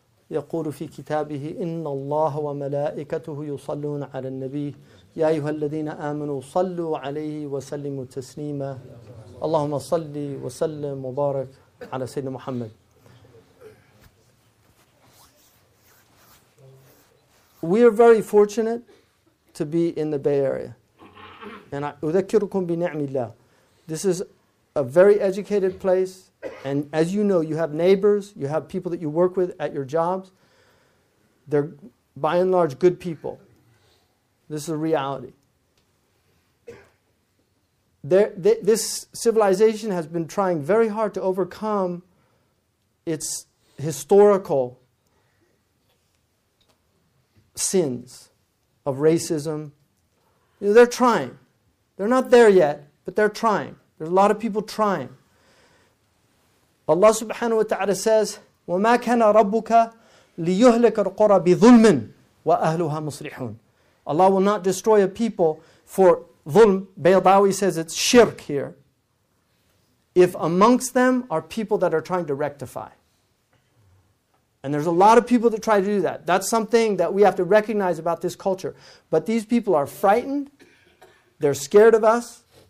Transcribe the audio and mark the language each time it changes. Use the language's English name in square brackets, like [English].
[Arabic] يقول في كتابه إن الله وملائكته يصلون على النبي يا أيها الذين آمنوا صلوا عليه وسلموا تسليما اللهم صل وسلم وبارك على سيدنا محمد. [English] We are very fortunate to be in the Bay Area. And I [Arabic] أذكركم بنعم الله. [English] This is a very educated place. And as you know, you have neighbors, you have people that you work with at your jobs. They're, by and large, good people. This is a reality. This civilization has been trying very hard to overcome its historical sins of racism. You know, they're trying. They're not there yet, but they're trying. There's a lot of people trying. Allah subhanahu wa ta'ala says, [Arabic] وَمَا كَانَ رَبُّكَ لِيُهْلِكَ الْقُرَى بِظُلْمٍ وَأَهْلُهَا مُصْلِحُونَ. [English] Allah will not destroy a people for ظلم. Baydawi says it's shirk here. If amongst them are people that are trying to rectify. And there's a lot of people that try to do that. That's something that we have to recognize about this culture. But these people are frightened. They're scared of us.